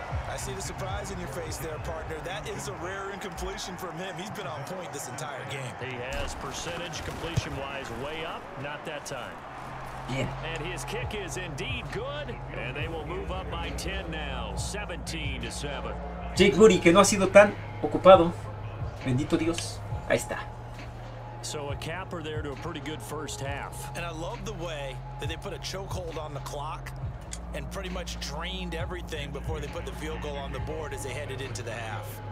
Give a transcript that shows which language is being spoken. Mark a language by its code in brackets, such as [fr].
[en] I see the surprise in your face there, partner. That is a rare incompletion from him. He's been on point this entire game. He has percentage completion wise way up, not that time. [es] Bien. [en] And his kick is indeed good. And they will move up by 10 now. 17 to 7. [es] Jake Moody, que no ha sido tan ocupado. Bendito Dios. Ahí está. [en] So a capper there to a pretty good first half. And I love the way that they put a chokehold on the clock and pretty much drained everything before they put the field goal on the board as they headed into the half.